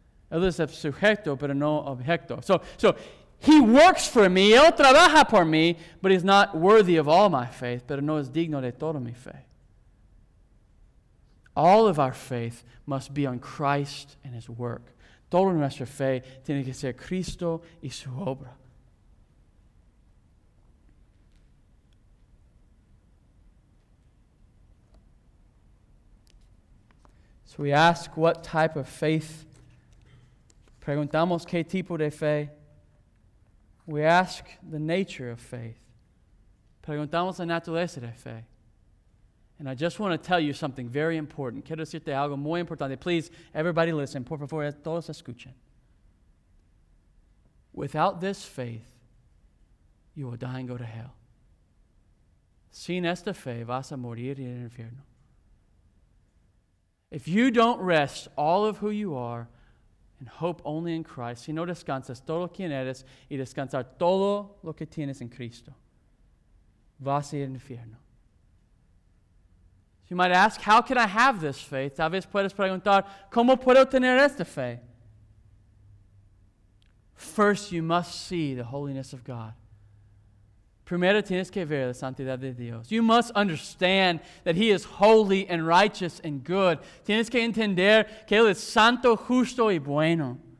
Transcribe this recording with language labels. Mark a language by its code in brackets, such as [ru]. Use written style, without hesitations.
[es] Él es el sujeto, pero no objeto. [en] So he works for me, [es] él trabaja por mí, [en] but he's not worthy of all my faith, [es] pero no es digno de toda mi fe. [en] All of our faith must be on Christ and his work. [es] Toda nuestra fe tiene que ser Cristo y su obra. [en] So we ask, what type of faith? [es] Preguntamos, ¿qué tipo de fe? [en] We ask the nature of faith. [es] Preguntamos la naturaleza de fe. [en] And I just want to tell you something very important. [es] Quiero decirte algo muy importante. [en] Please, everybody listen. [es] Por favor, todos escuchen. [en] Without this faith, you will die and go to hell. [es] Sin esta fe, vas a morir en el infierno. [en] If you don't rest all of who you are and hope only in Christ, [es] si no descansas todo quien eres y descansar todo lo que tienes en Cristo, vas a ir al infierno. [en] You might ask, how can I have this faith? [es] Tal vez puedes preguntar, ¿cómo puedo tener esta fe? [en] First, you must see the holiness of God. [es] Primero tienes que ver la santidad de Dios. [en] You must understand that he is holy and righteous and good. [es] Tienes que entender que él es santo, justo y bueno.